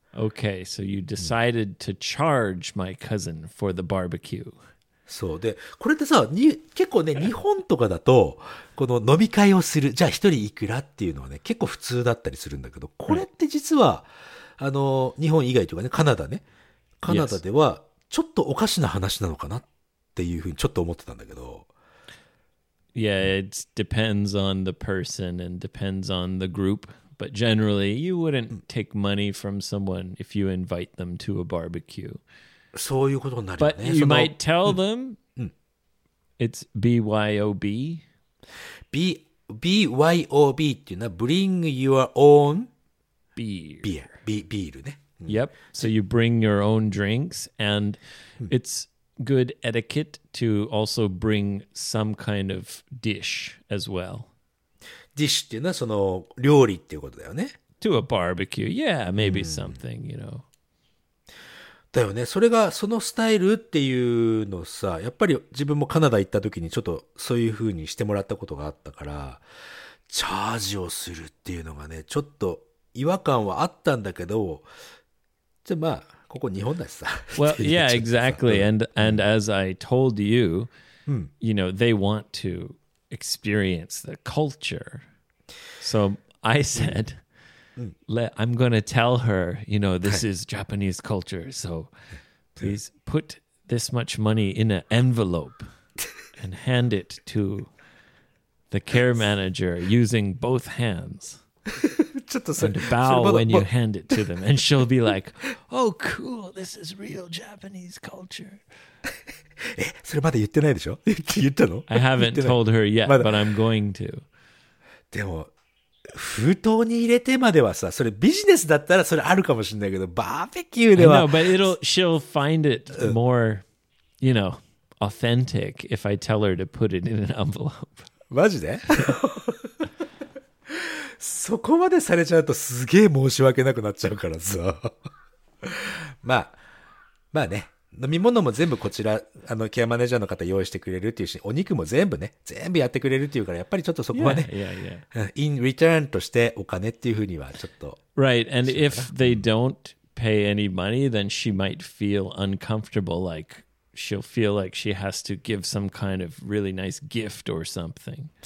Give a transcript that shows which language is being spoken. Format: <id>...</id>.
<en>Okay, so you decided to charge my cousin for the barbecue.</en> <ja>そうで、これってさ、結構ね、日本とかだと、この飲み会をする、じゃあ一人いくらっていうのはね、結構普通だったりするんだけど、これって実は、日本以外とかね、カナダね、カナダでは、ちょっとおかしな話なのかなっていうふうにちょっと思ってたんだけど。</ja> <en>Yeah, it depends on the person and depends on the group, but generally, you wouldn't take money from someone if you invite them to a barbecue.</en> <ja>そういうことになるよね。</ja> <en>But you might tell them it's BYOB.</en> <ja>BYOB っていうのは</ja> <en>bring your own beer.</en> <ja>ビールね。</ja> <en>Yep. So you bring your own drinks and it's good etiquette to also bring some kind of dish as well.</en> <ja>Dish っていうのはその料理っていうことだよね。</ja> <en>To a barbecue. Yeah, maybe something, you know.</en> <ja>だよね。それが、そのスタイルっていうのさ、やっぱり自分もカナダ行った時にちょっとそういう風にしてもらったことがあったから、チャージをするっていうのがね、ちょっと違和感はあったんだけど、じゃあまあ、ここ日本だしさ。</ja> <en>Well, yeah, exactly. And as I told you, you know, they want to experience the culture. So I said,I'm going to tell her, you know, this is Japanese culture, so please put this much money in an envelope and hand it to the care manager using both hands and bow when you hand it to them. And she'll be like, oh, cool, this is real Japanese culture.</en> <ja>それまだ言ってないでしょ？言ったの？</ja> <en>I haven't told her yet, but I'm going to.</en> <ja>でも封筒に入れてまではさ、それビジネスだったらそれあるかもしれないけど、バーベキューでは。</ja> <en>I know, but she'll find it more, you know, authentic if I tell her to put it in an envelope.</en> <ja>マジで？そこまでされちゃうとすげえ申し訳なくなっちゃうからさ。まあ、まあね。飲み物も全部こちら、ケアマネージャーの方用意してくれるっていうし、お肉も全部ね、全部やってくれるっていうから、やっぱりちょっとそこはね、</ja> <en>in return</en> <ja>としてお金っていうふうにはちょっと。</ja> <en>Right, and if they don't pay any money, then she might feel uncomfortable, like she'll feel like she has to give some kind of really nice gift or something.</en>